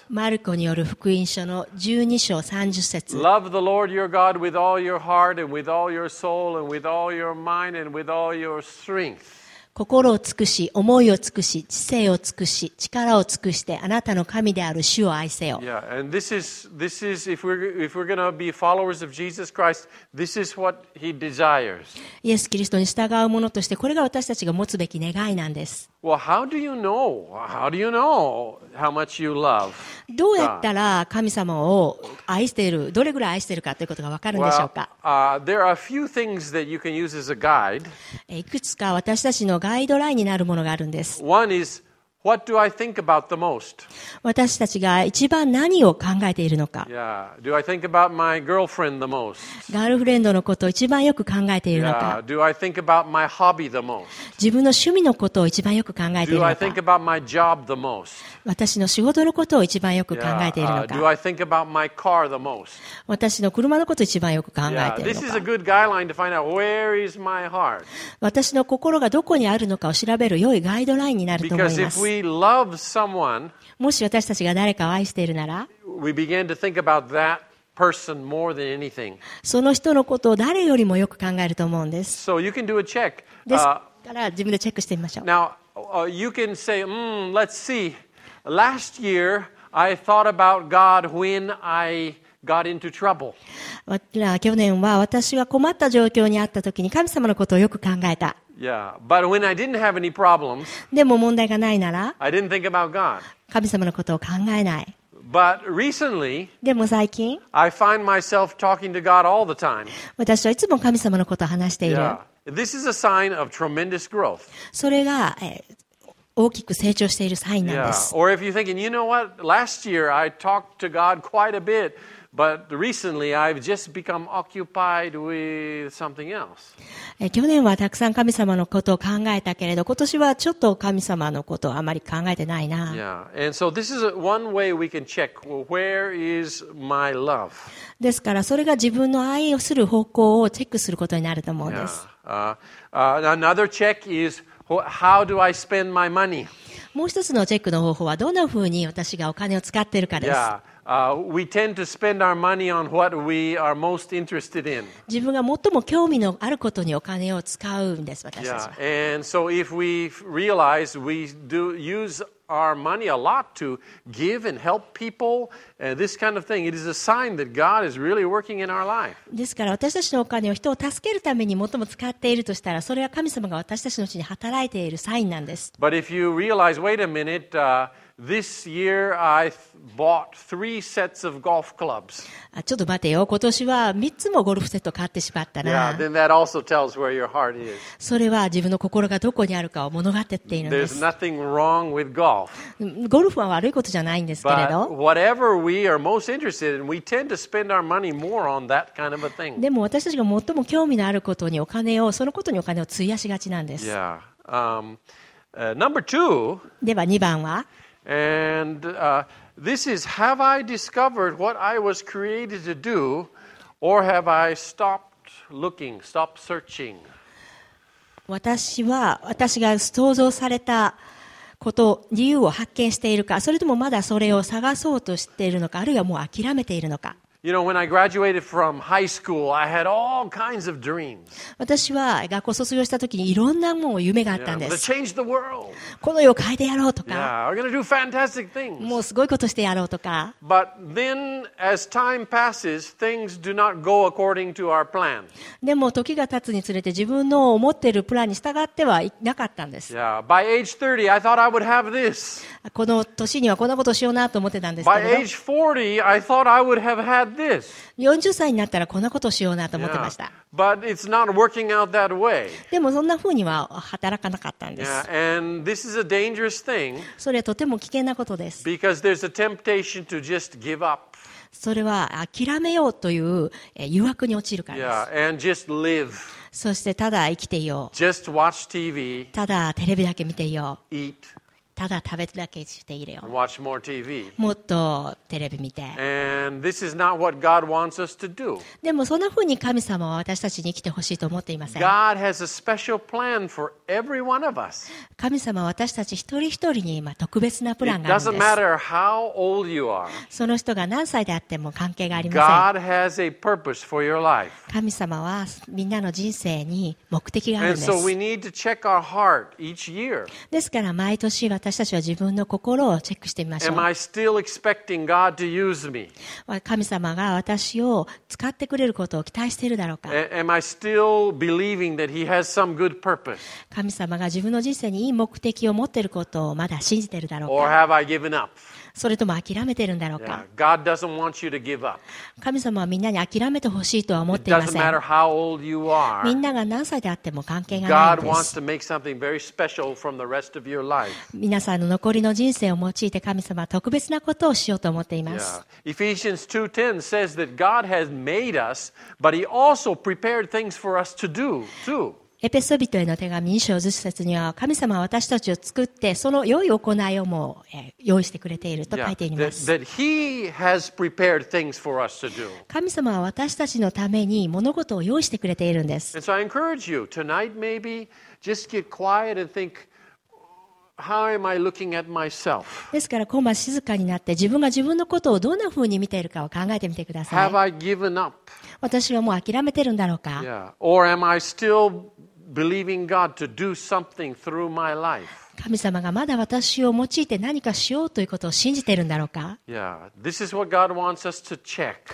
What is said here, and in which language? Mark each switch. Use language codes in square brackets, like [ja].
[ja] マルコによる福音書の12章30節。 [en] Love the Lord your God with all your heart and with all your soul and with all your mind and with all your strength. [ja] 心を尽くし、思いを尽くし、知性を尽くし、力を尽くして、あなたの神である主を愛せよ。 [en] Yeah, and this is if we're gonna be followers of Jesus Christ, this is what he desires. [ja] イエス・キリストに従う者として、これが私たちが持つべき願いなんです。 [en] Well, how do you know how much you love God? [ja] どうやったら神様を愛している、どれぐらい愛しているかということがわかるんでしょうか。 [en] Well, there are a few things that you can use as a guide. [ja] いくつか私たちのガイドラインになるものがあるんです。 [en] One is, what do I think about the most? [ja] 私たちが一番何を考えているのか。 [en] Yeah, do I think about my girlfriend the most? [ja] ガールフレンドのことを一番よく考えているのか。 [en] Yeah, do I think about my hobby the most? [ja] 自分の趣味のことを一番よく考えているのか。 [en] Do I think about my job the most? [ja] 私の仕事のことを一番よく考えているのか。 [en] Yeah, do I think about my car the most? [ja] 私の車のことを一番よく考えているのか。 [en] Yeah, this is a good guideline to find out where is my heart. [ja] 私の心がどこにあるのかを調べる良いガイドラインになると思います。 [en] Because if we love someone, [ja] もし私たちが誰かを愛しているなら、 [en] we begin to think about that person more than anything. [ja] その人のことを誰よりもよく考えると思うんです。 [en] So you can do a check. [ja] ですから自分でチェックしてみましょう。 [en] Now, you can say, let's see. Last year, I thought about God when I got into trouble. [ja] 去年は私が困った状況にあったときに神様のことをよく考えた。 [en] Yeah, but when I didn't have any problems, [ja] でも問題がないなら、 [en] I didn't think about God. [ja] 神様のことを考えない。 [en] But recently, [ja] でも最近、 [en] I find myself talking to God all the time. [ja] 私はいつも神様のことを話している。 [en] Yeah. This is a sign of tremendous growth. [ja] それが、大きく成長しているサインなんです。 [en] Yeah. Or if you're thinking, you know what? Last year I talked to God quite a bit. But recently, I've just become occupied with something else. [ja] 去年はたくさん神様のことを考えたけれど、今年はちょっと神様のことをあまり考えてないな。 [en] Yeah. And so this is one way we can check, well, where is my love? [ja] ですからそれが自分の愛をする方向をチェックすることになると思うんです。 [en] Another check is, how do I spend my money? [ja] もう一つのチェックの方法は、どんなふうに私がお金を使っているかです。 [en] Yeah. We tend to spend our money on what we are most interested in. [ja] 自分が最も興味のあることにお金を使うんです、私たちは。 [en] Yeah. And so if we realize we do use our money a lot to give and help people, this kind of thing, it is a sign that God is really working in our life. [ja] ですから私たちのお金を人を助けるために最も使っているとしたら、それは神様が私たちのうちに働いているサインなんです。 [en] But if you realize, wait a minute, This year I bought three sets of golf clubs. [ja] ちょっと待てよ。今年は三つもゴルフセット買ってしまったな。 [en] Yeah, then that also tells where your heart is. [ja] それは自分の心がどこにあるかを物語っているんです。 [en] There's nothing wrong with golf. [ja] ゴルフは悪いことじゃないんですけれど。 [en] But whatever we are most interested in, we tend to spend our money more on that kind of a thing. [ja] でも私たちが最も興味のあることにお金を、そのことにお金を費やしがちなんです。 [en] Number two. [ja] では二番は。 [en] And this is, have I discovered what I was created to do, or have I stopped looking, stopped searching? [ja] 私は私が創造されたこと、理由を発見しているか、それともまだそれを探そうとしているのか、あるいはもう諦めているのか。 [en] You know, when I graduated from high school, I had all kinds of dreams. [ja] 私は学校卒業した時にいろんなもう夢があったんです。 [en] Yeah, to change the world. [ja] この世を変えてやろうとか。 [en] Yeah, we're gonna do fantastic things. [ja] もうすごいことしてやろうとか。 [en] But then, as time passes, things do not go according to our plan. [ja] でも時が経つにつれて自分の思っているプランに従ってはなかったんです。 [en] Yeah, by age 30, I thought I would have this. [ja] この年にはこんなことをしようなと思ってたんですけど。 [en] By age 40, I thought I would have had this. [ja] 40歳になったらこんなことをしようなと思ってました。 [en] Yeah, but it's not working out that way. [ja] でもそんな風には働かなかったんです。 [en] Yeah, and this is a dangerous thing. [ja] それはとても危険なことです。 [en] Because there's a temptation to just give up. [ja] それは諦めようという誘惑に陥るからです。 [en] Yeah, and just live. [ja] そしてただ生きていよう。 [en] Just watch TV. [ja] ただテレビだけ見ていよう。 [en] Eat. [ja] ただ食べだけしていれよ。 [en] Watch more TV. [ja] もっとテレビ見て。 [en] And this is not what God wants us to do. [ja] でもそんな風に神様は私たちに生きてほしいと思っていません。 [en] God has a special plan for every one of us. [ja] 神様は私たち一人一人に今特別なプランがあるんです。 [en] It doesn't matter how old you are. [ja] その人が何歳であっても関係がありません。 [en] God has a purpose for your life. [ja] 神様はみんなの人生に目的があるんです。 [en] And so we need to check our heart each year. [ja] ですから毎年私たちは自分の心をチェックしてみましょう。 [en] Am I still expecting God to use me? [ja] 神様が私を使ってくれることを期待しているだろうか。 [en] Am I still believing that He has some good purpose? [ja] 神様が自分の人生にいい目的を持っていることをまだ信じているだろうか。 [en] Or have I given up? [ja] それとも諦めているんだろうか。 [en] Yeah, God doesn't want you to give up. [ja] 神様はみんなに諦めてほしいとは思っていません。 [en] It doesn't matter how old you are. [ja] みんなが何歳であっても関係がないんです。 [en] God wants to make something very special from the rest of your life. [ja] 皆さんの残りの人生を用いて神様は特別なことをしようと思っています。 [en] Yeah. Ephesians 2:10 says that God has made us, but He also prepared things for us to do too. [ja] エペソ人への手紙2章10節には神様は私たちを作ってその良い行いをも用意してくれていると書いています。 [en] Yeah, that he has prepared things for us to do. [ja] 神様は私たちのために物事を用意してくれているんです。 [en] And so I encourage you tonight maybe just get quiet and think how am I looking at myself? [ja] ですから今晩静かになって自分が自分のことをどんな風に見ているかを考えてみてください。 [en] Have I given up? [ja] 私はもう諦めてるんだろうか。 [en] Yeah, or am I stillBelieving God to do something through my life. [ja] 神様がまだ私を用いて何かしようということを信じているんだろうか。 [en] Yeah, this is what God wants us to check.